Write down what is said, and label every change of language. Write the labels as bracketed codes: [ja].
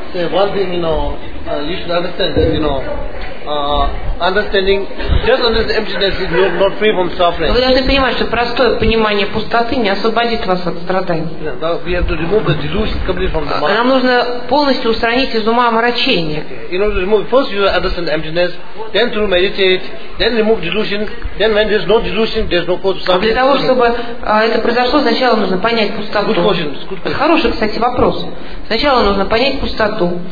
[en] One thing, you know, you should understand that, you know, understanding, just understanding emptiness is not free from suffering. [ru] Вы должны понимать, что простое понимание пустоты не освободит вас от страданий. [en] Yeah, we have to remove the delusion completely from the mind. [ru] Нам нужно полностью устранить из ума омрачение. [en] In order to remove, first you understand emptiness, then to meditate, then remove delusion, then when there's no delusion, there's no cause of suffering. [ru] А для того, чтобы это произошло, сначала нужно понять пустоту. [en] Good question. Good question. [ru] Это хороший, кстати, вопрос. Сначала нужно понять пустоту.